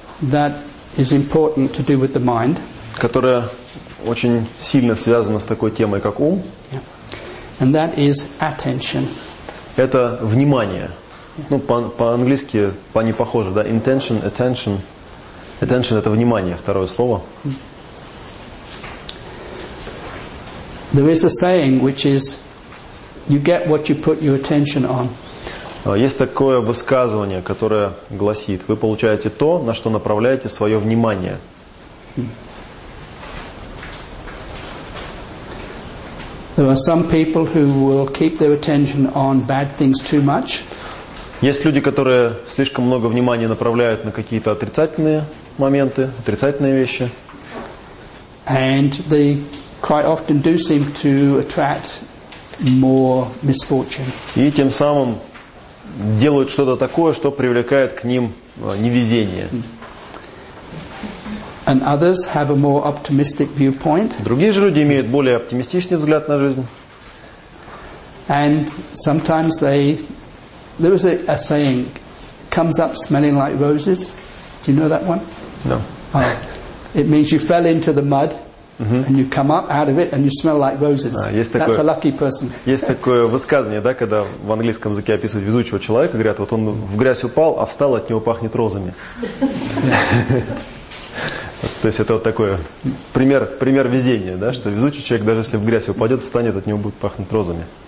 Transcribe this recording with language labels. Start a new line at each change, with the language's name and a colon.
English: That is important to do with the mind.
Russian: Которая очень сильно связана с такой темой, как ум.
English: And that is attention.
Russian: Это внимание.
English: Yeah.
Russian: Ну, по-английски не похоже, да? Intention, attention. Attention это внимание, второе слово.
English: There is a saying which is you get what you put your attention on.
Russian: Есть такое высказывание, которое гласит: вы получаете то, на что направляете свое внимание.
English: There are some people who will keep their attention on bad things too much.
Russian: Есть люди, которые слишком много внимания направляют на какие-то отрицательные моменты, отрицательные вещи.
English: And they quite often do seem to attract more misfortune.
Russian: И тем самым делают что-то такое, что привлекает к ним невезение.
English: And others have a more optimistic viewpoint.
Russian: Другие же люди имеют более оптимистичный взгляд на жизнь.
English: And sometimes there was a saying, comes up smelling like roses. Do you know that one? No. It means you fell into the mud. Uh-huh. And you come up out of it and you smell like roses. That's a lucky person.
Russian: Есть такое высказывание, да, когда в английском языке описывают везучего человека, говорят, вот он в грязь упал, а встал, от него пахнет розами. То есть это вот такой пример везения, да, что везучий человек, даже если в грязь упадет, встанет, от него будет пахнуть розами.